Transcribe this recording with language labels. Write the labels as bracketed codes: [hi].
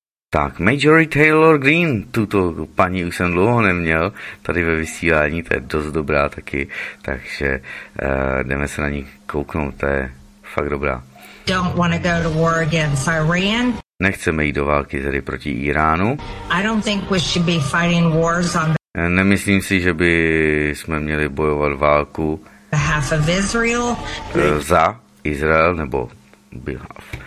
[cs] Tak, Majory Taylor Greene, tuto paní už jsem dlouho neměl tady ve vysílání, to je dost dobrá taky, takže jdeme se na ní kouknout, to je fakt dobrá. [en] Don't wanna go to war against Iran. [cs] Nechceme jít do války tedy proti Iránu. [en] I don't think we should be fighting wars on the... [cs] Nemyslím si, že by jsme měli bojovat válku [en] behalf of Israel. [cs] Za Izrael, nebo behalf.